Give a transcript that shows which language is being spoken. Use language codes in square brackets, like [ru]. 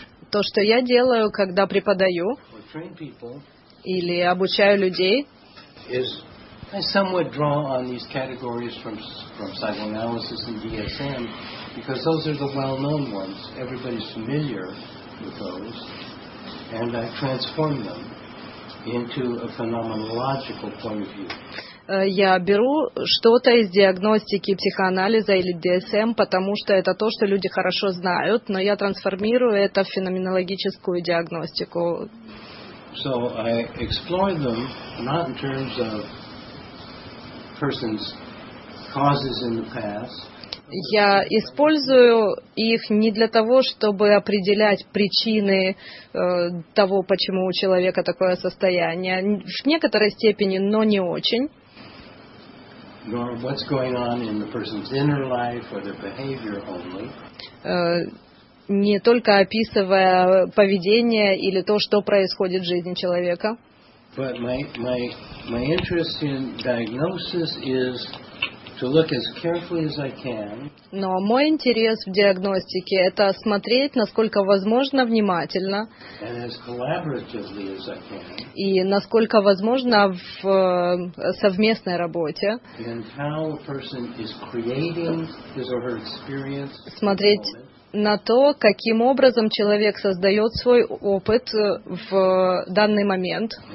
[ru] То, что я делаю, когда преподаю или обучаю людей, [en] I somewhat draw on these categories from psychoanalysis and DSM because those are the well-known ones. Everybody's familiar with those, and I transform them into a phenomenological point of view. [ru] Я беру что-то из диагностики психоанализа или DSM, потому что это то, что люди хорошо знают, но я трансформирую это в феноменологическую диагностику. [en] So I explore them not in terms of person's causes in the past. [ru] Я использую их не для того, чтобы определять причины того, почему у человека такое состояние, в некоторой степени, но не очень. [en] Nor what's going on in the person's inner life or their behavior only. [ru] Не только описывая поведение или то, что происходит в жизни человека. [en] But my interest in diagnosis is to look as carefully as I can. [ru] Но мой интерес в диагностике – это смотреть, насколько возможно, внимательно. [en] And as collaboratively as I can. [ru] И насколько возможно в совместной работе. [en] And how a person is creating his or her experience. [ru] Смотреть на то, каким образом человек создает свой опыт в данный момент.